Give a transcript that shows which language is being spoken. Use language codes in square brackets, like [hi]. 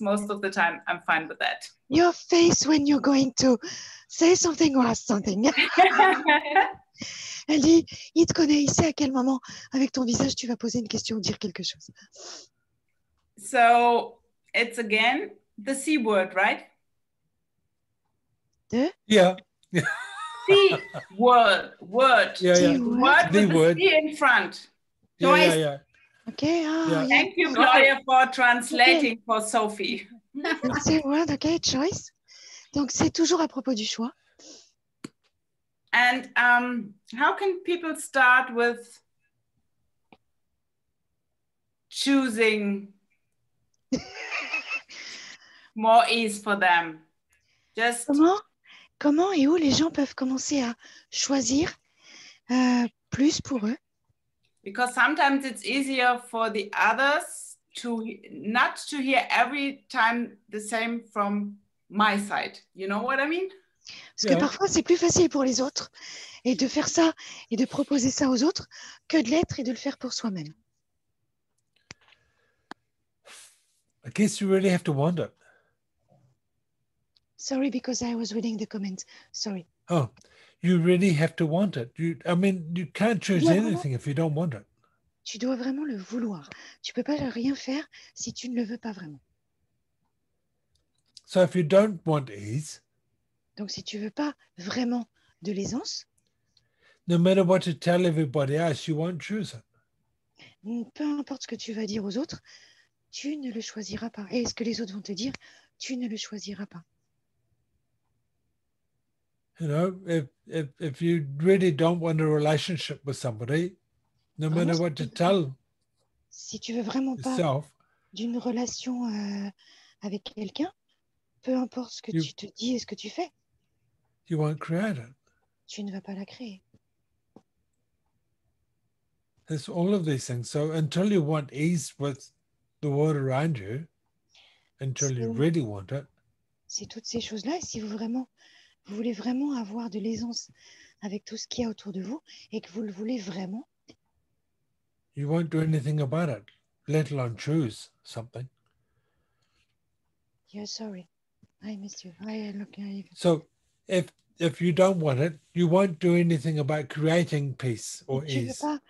[en] Most of the time, I'm fine with that. Your face when you're going to say something or ask something. [fr] Elle dit, il te connaît, il sait à quel moment, avec ton visage, tu vas poser une question ou dire quelque chose. [en] So, it's again the C word, right? The? Yeah. C word, word. Yeah, yeah. Word the with word. The C in front. Yeah, yeah, yeah. Okay. Yeah. Thank you, Gloria, for translating okay. for Sophie. C word, okay, choice. [fr] Donc, c'est toujours à propos du choix. [en] And how can people start with choosing more ease for them? [fr] Comment et où les gens peuvent commencer à choisir plus pour eux. [en] Because sometimes it's easier for the others to not to hear every time the same from my side. You know what I mean? [fr] Parce que parfois c'est plus facile pour les autres et de faire ça et de proposer ça aux autres que de l'être et de le faire pour soi-même. [en] I guess you really have to wonder. Sorry, because I was reading the comments. Sorry. Oh, you really have to want it. You can't choose anything if you don't want it. [fr] Tu dois vraiment le vouloir. Tu peux pas rien faire si tu ne le veux pas vraiment. [en] So if you don't want ease. [fr] Donc si tu veux pas vraiment de l'aisance. [en] No matter what you tell everybody else, you won't choose it. [fr] Peu importe ce que tu vas dire aux autres, tu ne le choisiras pas. Et ce que les autres vont te dire, tu ne le choisiras pas. [en] You know, if you really don't want a relationship with somebody, no matter what you tell, [fr] si tu veux vraiment pas d'une relation avec quelqu'un, peu importe ce que tu te dis et ce que tu fais, [en] you won't create it. [fr] Tu ne vas pas la créer. [en] It's all of these things. So until you want ease with the world around you, until you really want it, [fr] c'est toutes ces choses-là. Si vous vraiment vous voulez vraiment avoir de l'aisance avec tout ce qu'il y a autour de vous et que vous le voulez vraiment, [en] you won't do anything about it, let alone choose something. Yeah, sorry. I miss you. I look at you. So if you don't want it, you won't do anything about creating peace or ease.